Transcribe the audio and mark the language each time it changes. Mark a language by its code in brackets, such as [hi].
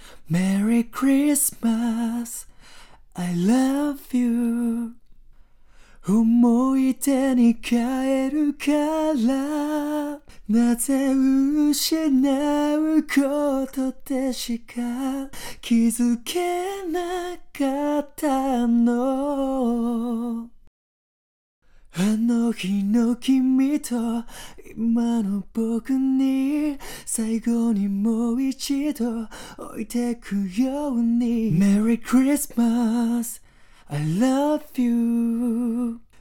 [en] Merry Christmas, I love you. [ja] 思い出に帰るから、なぜ失うことでしか気づけなかったの。あの日の君と今の僕に、最後にもう一度置いてくように。 [en] Merry Christmas, I love you.